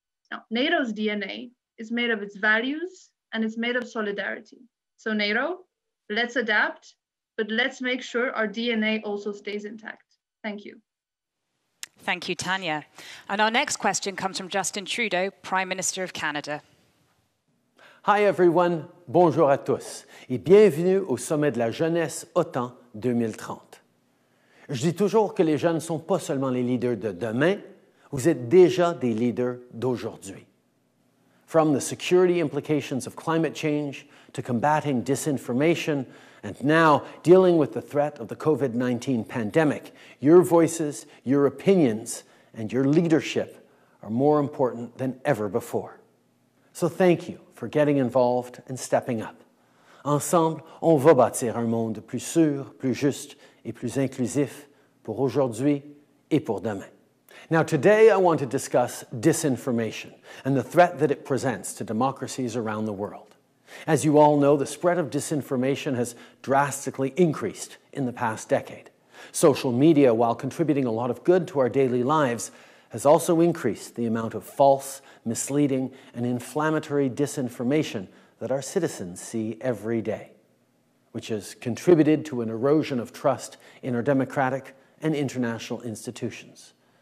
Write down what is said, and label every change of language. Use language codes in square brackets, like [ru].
[en] Now, NATO's DNA is made of its values and it's made of solidarity. So NATO, let's adapt, but let's make sure our DNA also stays intact. Thank you. Thank you, Tanja. And our next question comes from Justin Trudeau, Prime Minister of Canada. Hi, everyone. [fr] Bonjour à tous. Et bienvenue au sommet de la jeunesse OTAN 2030. Je dis toujours que les jeunes ne sont pas seulement les leaders de demain, vous êtes déjà des leaders d'aujourd'hui. [en] From the security implications of climate change to combating disinformation and now dealing with the threat of the COVID-19 pandemic, your voices, your opinions, and your leadership are more important than ever before. So thank you for getting involved and stepping up. [fr] Ensemble, on va bâtir un monde plus sûr, plus juste, et plus inclusif pour aujourd'hui et pour demain. [en] Now, today I want to discuss disinformation and the threat that it presents to democracies around the world. As you all know, the spread of disinformation has drastically increased in the past decade. Social media, while contributing a lot of good to our daily lives, has also increased the amount of false, misleading, and inflammatory disinformation that our citizens see every day, which has contributed to an erosion of trust in our democratic and international institutions.